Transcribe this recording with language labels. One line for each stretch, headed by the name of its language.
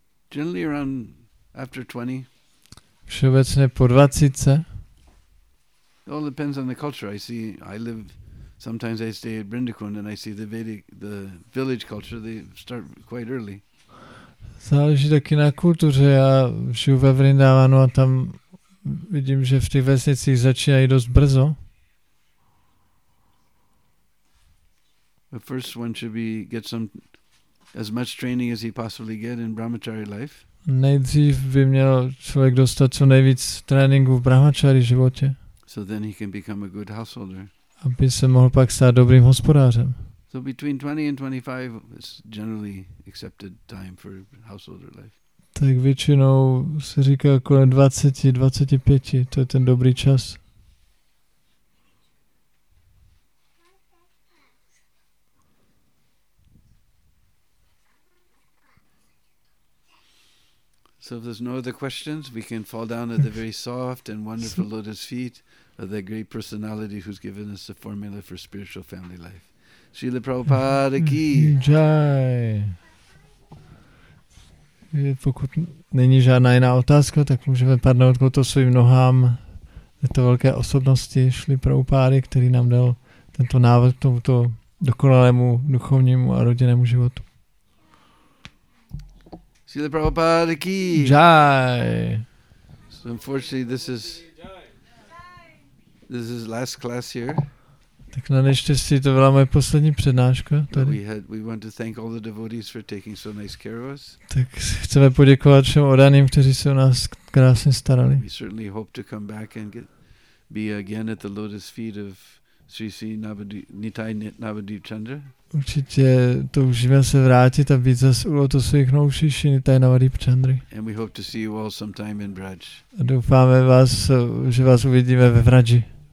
English: Generally around after 20.
Czech: Všeobecně po 20.
English: It all depends on the culture. I see, I live... Sometimes I stay at Brindakund and I see the Vedic, the village culture, they start quite early.
Czech: Záleží taky na kultuře. Já žiju ve Vrindávanu a tam vidím, že v těch vesnicích začínají dost brzo.
English: The first one should be get some as much training as he possibly get in brahmachari life.
Czech: Nejdřív by měl člověk dostat co nejvíc tréninku v brahmachari životě.
English: So then he can become a good householder.
Czech: Aby se mohl pak stát dobrým hospodářem.
English: So between 20 and 25 is generally accepted time for householder life.
Czech: Tak většinou se říká kolem 20, 25, to je ten dobrý čas.
English: So if there's no other questions, we can fall down at the very soft and wonderful lotus feet of the great personality who's given us the formula for spiritual family life.
Hindi: Srila Prabhupada ki. Jai.
Czech: Pokud není žádná jiná otázka, tak můžeme padnout k lotosovým nohám. Je to velké osobnosti Šli Prabhupády, který nám dal tento návod k tomuto dokonalému duchovnímu a rodinnému životu.
Hindi: Srila Prabhupada ki. Jai.
English: So unfortunately this is last class here.
Czech: Tak na neštěstí to byla moje poslední přednáška tady.
English: We want to thank all the devotees for taking so nice care of us.
Czech: Tak chceme poděkovat všem oddaným, kteří se o nás krásně starali.
English: We certainly hope to come back and be again at the lotus feet of Sri Sri Nitai Navadvip Chandra.
Czech: Určitě toužíme se vrátit a být zase u lotosových nohou Sri Sri Nitai Navadvip Chandry.
English: And we hope to see you all sometime in Braj.
Czech: A doufáme vás, že vás uvidíme ve Vraji.